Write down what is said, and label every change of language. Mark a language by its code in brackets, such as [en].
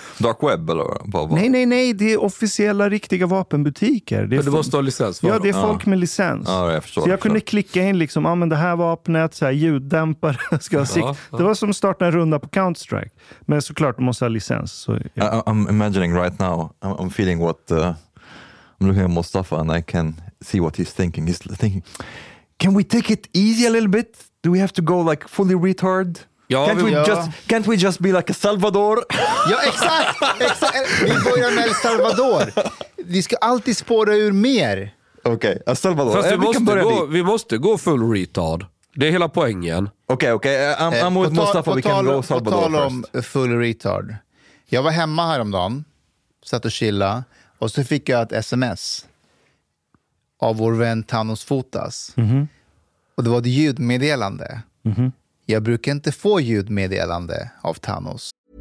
[sv] Dark web eller vad? Nej. Det är officiella riktiga vapenbutiker. Det, det måste ha licens. Ja, det är folk med licens. Ja, jag förstår. Kunde klicka in liksom, använda det här vapnet, så här, ljuddämpare ska ha sikt. Ja. Det var som att starta en runda på Counter-Strike. Men såklart, du måste ha licens. Så, ja. [en] I'm imagining right now. I'm feeling what... I'm looking at Mustafa and I can see what he's thinking. He's thinking... Can we take it easy a little bit? Do we have to go like fully retard? [sv] Ja, [en] can't we just be like a Salvador? [sv] Ja, exakt! Vi börjar med Salvador. Vi ska alltid spåra ur mer. [en] Okej, okay, a Salvador. [sv] Fast vi måste gå [en] full retard. [sv] Det är hela poängen. [en] Okej, I'm with Mustafa, we can go Salvador first. [sv] På tal om [en] full retard. [sv] Jag var hemma häromdagen, satt och chilla, och så fick jag ett sms av vår vän Thanos Fotas. Mm-hmm. Och det var ett ljudmeddelande. Mm-hmm. Jag brukar inte få ljudmeddelande av Thanos.